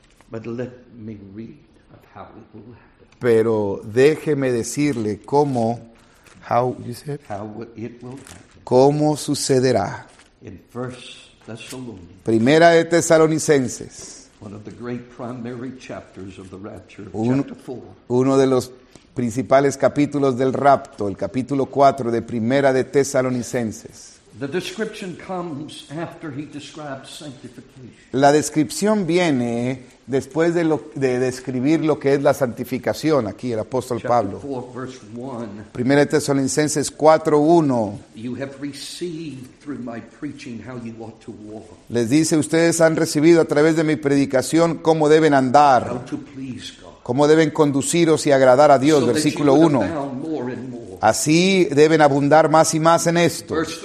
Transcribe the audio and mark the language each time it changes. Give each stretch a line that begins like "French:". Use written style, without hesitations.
English: But let me read of how it will happen.
Spanish: Pero déjeme decirle cómo,
English: how you said, how it will happen.
Spanish: Cómo sucederá.
English: In First Thessalonians,
Spanish: Primera de Tesalonicenses.
English: One of the great primary chapters of the rapture, chapter 4.
Spanish: Uno de los principales capítulos del rapto, el capítulo 4 de Primera de Tesalonicenses.
English: The description comes after he describes sanctification.
Spanish: La descripción viene después de, lo, de describir lo que es la santificación, aquí el apóstol
English: chapter 4, verse 1.
Spanish: Primera de Tesalonicenses 4, 1.
English: You have received through my preaching how you ought to walk.
Spanish: Les dice, ustedes han recibido a través de mi predicación cómo deben andar.
English: How to please God.
Spanish: Cómo deben conduciros y agradar a Dios,
English: so
Spanish: versículo 1.
English: More.
Spanish: Así deben abundar más y más en esto.